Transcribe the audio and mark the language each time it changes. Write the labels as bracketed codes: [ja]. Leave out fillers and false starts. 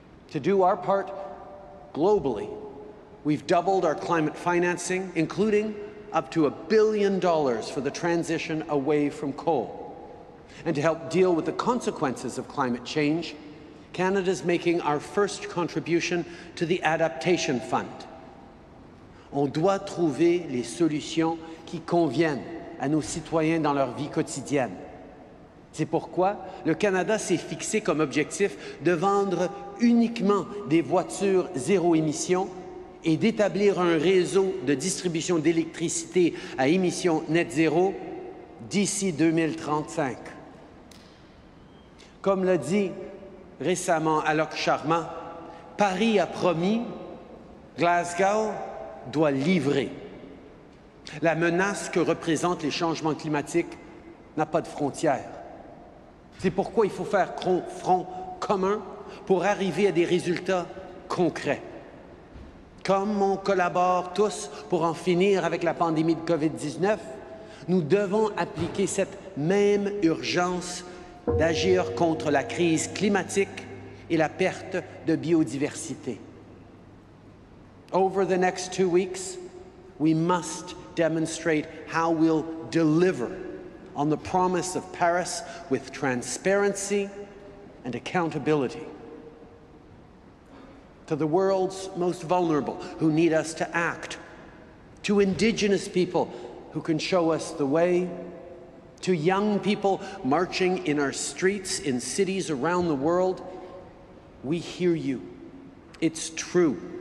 [en] To do our part globally, we've doubled our climate financing, including up to $1 billion for the transition away from coal. And to help deal with the consequences of climate change, Canada's making our first contribution to the Adaptation Fund. [fr] On doit trouver les solutions qui conviennent à nos citoyens dans leur vie quotidienne. C'est pourquoi le Canada s'est fixé comme objectif de vendre uniquement des voitures zéro émission et d'établir un réseau de distribution d'électricité à émission net zéro d'ici 2035. Comme l'a dit récemment Alok Sharma, Paris a promis, Glasgow doit livrer. La menace que représentent les changements climatiques n'a pas de frontières. C'est pourquoi il faut faire front commun pour arriver à des résultats concrets. Comme on collabore tous pour en finir avec la pandémie de COVID-19, nous devons appliquer cette même urgence d'agir contre la crise climatique et la perte de biodiversité. [en] Over the next 2 weeks, we must demonstrate how we'll deliver on the promise of Paris with transparency and accountability. To the world's most vulnerable who need us to act, to Indigenous people who can show us the way, to young people marching in our streets in cities around the world, we hear you. It's true.